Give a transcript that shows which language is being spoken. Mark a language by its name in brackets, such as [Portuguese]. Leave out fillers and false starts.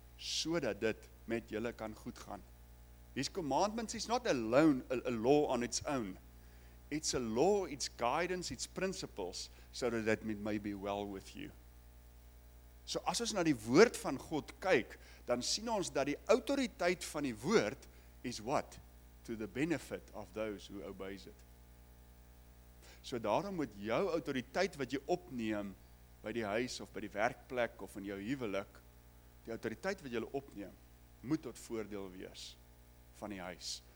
[Afrikaans] So dat dit met julle kan goed gaan. [English] These commandments is not alone a law on its own. It's a law, it's guidance, it's principles, so that it may be well with you. [Afrikaans] So as ons na die woord van God kyk, dan sien ons dat die autoriteit van die woord is what? [English] To the benefit of those who obey it. [Afrikaans] So daarom moet jou autoriteit wat jy opneem by die huis of by die werkplek of in jou huwelik, die autoriteit wat jy opneem, moet tot voordeel wees van die huis.